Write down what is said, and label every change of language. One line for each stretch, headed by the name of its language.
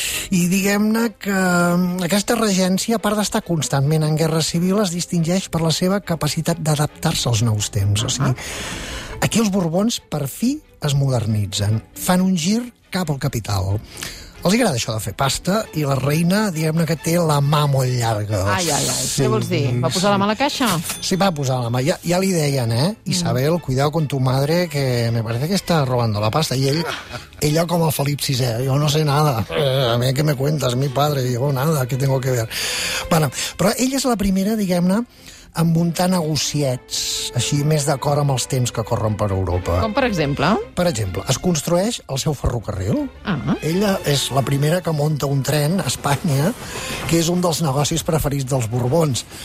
Catalan: I diguem-ne que aquesta regència, a part d'estar constantment en guerra civil, es distingeix per la seva capacitat d'adaptar-se als nous temps. Uh-huh. O sigui, aquí els Borbons, per fi, es modernitzen. Fan un gir cap al capital. Els agrada això de fer pasta, i la reina, diguem-ne que té la mà molt llarga. Ai, ai, ai, sí, què vols dir? Va posar la mà a la caixa? Sí, va posar la mà. Ja li deien, eh?
Spanish: Isabel, cuidado con tu madre, que me parece que está robando la pasta.
Catalan: I ella com el Felip VI, jo
Spanish: no sé nada. A mi, ¿qué me cuentas, mi padre? Yo nada, ¿qué tengo que ver?
Catalan: Bueno, però ella és la primera, diguem-ne, a muntar negociets, així més d'acord amb els temps que corren per Europa. Com per exemple? Per exemple, es construeix el seu ferrocarril. Uh-huh. Ella és la primera que munta un tren a Espanya, que és un dels negocis preferits dels Borbons.